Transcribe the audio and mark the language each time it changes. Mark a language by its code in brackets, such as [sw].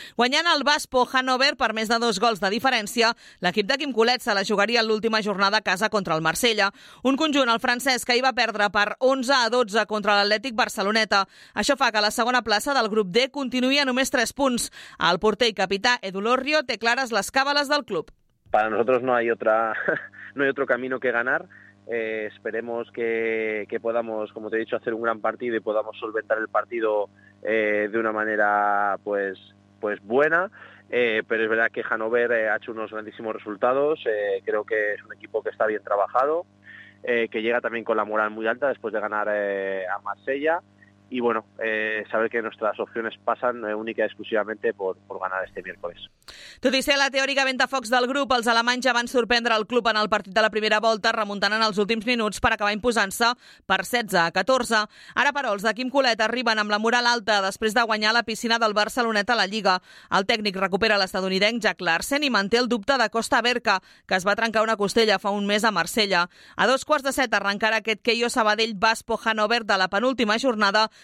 [ca] Guanyant el Waspo Hannover per més de 2 gols de diferència, l'equip de Quim Colet se la jugaria en l'última jornada a casa contra el Marsella, un conjunt el francès que hi va perdre per 11-12 contra l'Atlètic Barceloneta. Això fa que la segona plaça del grup D continuï a només 3 punts. El porter i capità Edu Lorrio té clares les càbales del club. [es] Para nosotros no hay otro camino que ganar. Esperemos que podamos, como te he dicho, hacer un gran partido y podamos solventar el partido de una manera pues buena, pero es verdad que Hannover ha hecho unos grandísimos resultados. Creo que es un equipo que está bien trabajado, que llega también con la moral muy alta después de ganar a Marsella, y bueno, saber que nuestras opciones pasan única y exclusivamente por ganar este miércoles. [ca] Tot i ser la teòrica ventafocs del grup, els alemanys ja van sorprendre el club en el partit de la primera volta, remuntant en els últims minuts per acabar imposant-se per 16-14. Ara, però, els de Quim Colet arriben amb la moral alta després de guanyar la piscina del Barceloneta a la Lliga. El tècnic recupera l'estadounidenc Jack Larsen i manté el dubte de Costa Berca, que es va trencar una costella fa un mes a Marsella. A 7:15 arrencarà aquest Keio Sabadell Waspo Hannover de la penúltima jornada